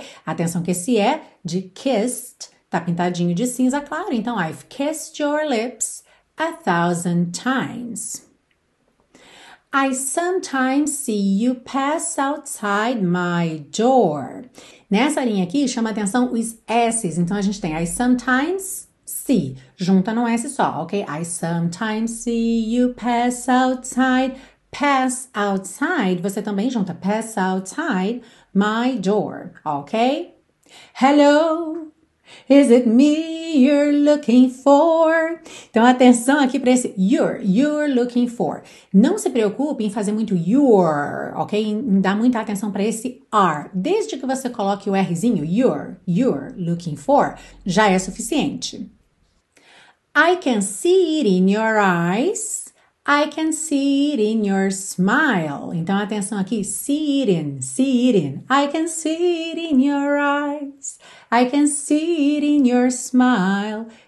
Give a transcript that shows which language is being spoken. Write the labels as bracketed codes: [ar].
[pt] Atenção que esse é de kissed, tá pintadinho de cinza, claro. [en] Então, I've kissed your lips 1,000 times. I sometimes see you pass outside my door. [pt] Nessa linha aqui, chama atenção os S's. Então, a gente tem [en] I sometimes see. [pt] Junta num S só, ok? [en] I sometimes see you pass outside. Pass outside. [pt] Você também junta [en] pass outside my door, [pt] ok? [en] Hello, is it me you're looking for? [pt] Então, atenção aqui para esse [en] you're looking for. [pt] Não se preocupe em fazer muito you're, ok? Em dar muita atenção para esse are. Desde que você coloque o Rzinho, [en] you're looking for, [pt] já é suficiente. [en] I can see it in your eyes. I can see it in your smile. [pt] Então, atenção aqui, [en] see it in. I can see it in your eyes. I can see it in your smile.